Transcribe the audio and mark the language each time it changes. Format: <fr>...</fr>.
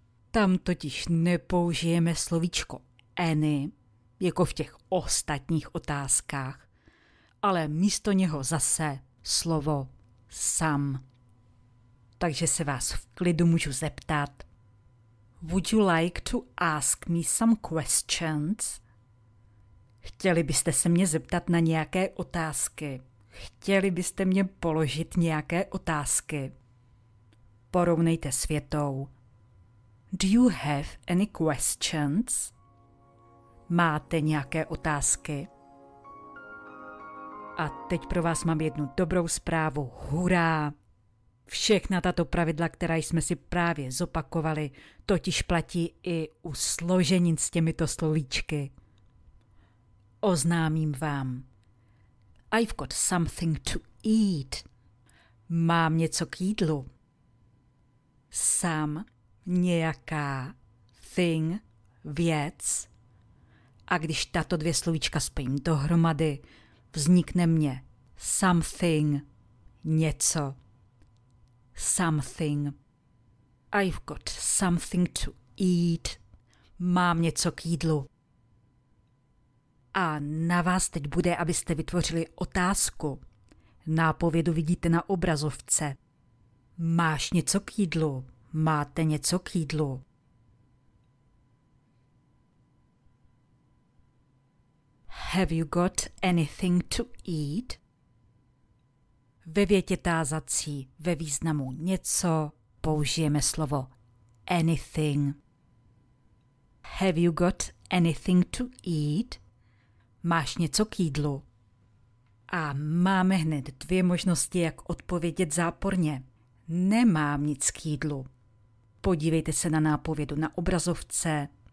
<cs>Tam totiž nepoužijeme slovíčko any, jako v těch ostatních otázkách, ale místo něho zase slovo sam. Takže se vás v klidu můžu zeptat.</cs> <en>Would you like to ask me some questions?</en> <cs>Chtěli byste se mě zeptat na nějaké otázky? Chtěli byste mě položit nějaké otázky? Porovnejte s větou.</cs> <en>Do you have any questions?</en> <cs>Máte nějaké otázky? A teď pro vás mám jednu dobrou zprávu. Hurá! Všechna tato pravidla, která jsme si právě zopakovali, totiž platí i u složenin s těmito slovíčky. Oznámím vám.</cs> <en>I've got something to eat.</en> <cs>Mám něco k jídlu. Sam, nějaká, thing, věc. A když tato dvě slovíčka spojím dohromady, vznikne mně something, něco.</cs> <en>Something. I've got something to eat.</en> <cs>Mám něco k jídlu. A na vás teď bude, abyste vytvořili otázku. Nápovědu vidíte na obrazovce. Máš něco k jídlu? Máte něco k jídlu?</cs> <en>Have you got anything to eat?</en> <cs>Ve větě tázací ve významu něco použijeme slovo anything.</cs> <en>Have you got anything to eat?</en> <cs>Máš něco k jídlu? A máme hned dvě možnosti, jak odpovědět záporně. Nemám nic k jídlu. Podívejte se na nápovědu na obrazovce.</cs>